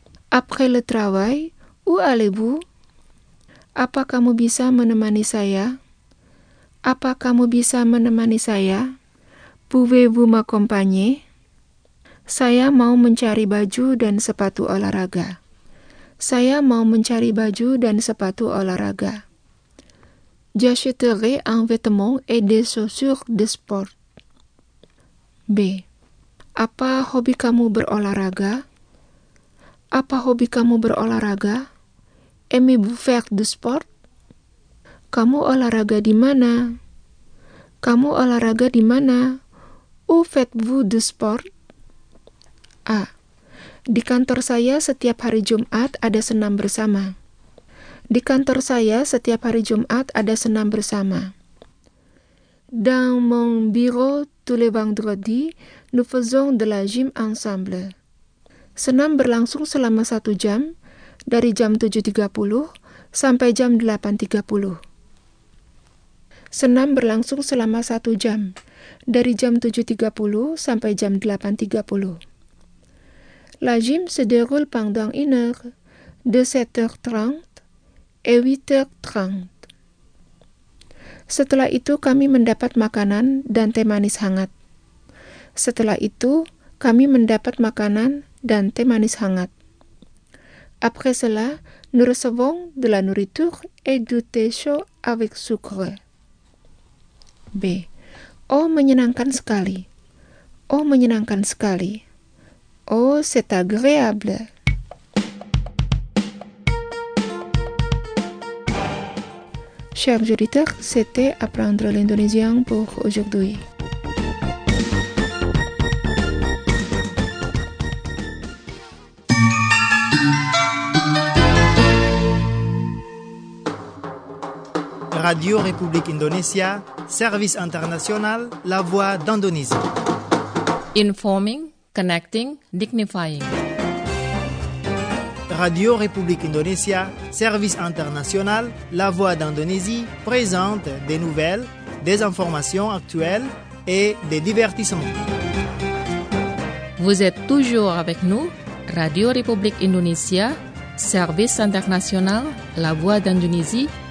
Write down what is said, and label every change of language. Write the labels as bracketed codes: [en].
[fr] Après le travail, où allez-vous? [id] Apa kamu bisa menemani saya? Apa kamu bisa menemani saya? [fr] Pouvez-vous m'accompagner? [id] Saya mau mencari baju dan sepatu olahraga. Saya mau mencari baju dan sepatu olahraga. [fr] J'achèterai un vêtement et des chaussures de sport. B. [id] Apa hobi kamu berolahraga? Apa hobi kamu berolahraga? [fr] Aimez-vous faire du sport? [id] Kamu olahraga di mana? Kamu olahraga di mana? [fr] Où faites-vous du sport? A. [id] Di kantor saya setiap hari Jumat ada senam bersama. Di kantor saya setiap hari Jumat ada senam bersama. [fr] Dans mon bureau tous les vendredis, nous faisons de la gym ensemble. [id] Senam berlangsung selama 1 jam dari jam 7:30 sampai jam 8:30. Senam berlangsung selama 1 jam dari jam 7:30 sampai jam 8:30. [fr] La gym se déroule pendant une heure, de 7h30 et 8h30. [id] Setelah itu kami mendapat makanan dan teh manis hangat. Setelah itu kami mendapat makanan dan teh manis hangat. [fr] Après cela, nous recevons de la nourriture et du thé chaud avec sucre. [id] B. Oh, menyenangkan sekali. Oh, menyenangkan sekali. [fr] Oh, c'est agréable. Chers auditeurs, c'était Apprendre l'Indonésien pour aujourd'hui. Radio République Indonesia, Service International, La Voix d'Indonésie. [en] Informing, connecting, dignifying. [fr] Radio République Indonesia, Service International, La Voix d'Indonésie présente des nouvelles, des informations actuelles et des divertissements. Vous êtes toujours avec nous, Radio République Indonesia, Service International, La Voix d'Indonésie.